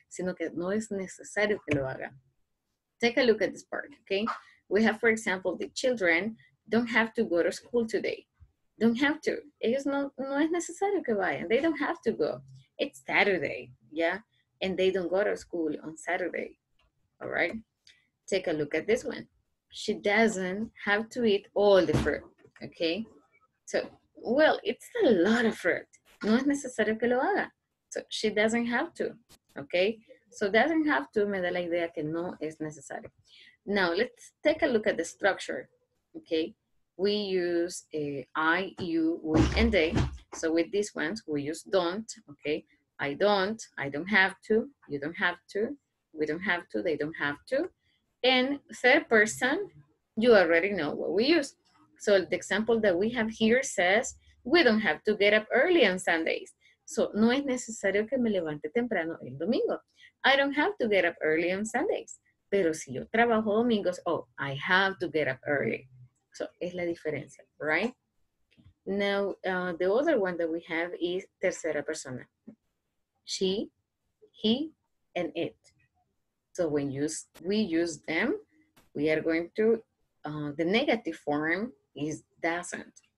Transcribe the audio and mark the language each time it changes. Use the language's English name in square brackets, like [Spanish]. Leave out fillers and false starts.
[Spanish] Sino que no es necesario que lo haga. [English] Take a look at this part, okay? We have, for example, the children don't have to go to school today. Don't have to. [Spanish] Ellos no es necesario que vayan. [English] They don't have to go. It's Saturday, yeah? And they don't go to school on Saturday, all right? Take a look at this one. She doesn't have to eat all the fruit, okay? So, well, it's a lot of fruit. [Spanish] No es necesario que lo haga. [English] So, she doesn't have to, okay? So, doesn't have to [Spanish] me da la idea que no es necesario. [English] Now, let's take a look at the structure, okay? We use a I, you, we, and they. So, with these ones, we use don't, okay? I don't have to, you don't have to, we don't have to, they don't have to. And third person, you already know what we use. So the example that we have here says, we don't have to get up early on Sundays. [Spanish] So no es necesario que me levante temprano el domingo. [English] I don't have to get up early on Sundays. [Spanish] Pero si yo trabajo domingos, [English] oh, I have to get up early. So [Spanish] es la diferencia, [English] right? Now, the other one that we have is [Spanish] tercera persona. [English] She, he, and it. So when we use them, we are going to, the negative form is doesn't.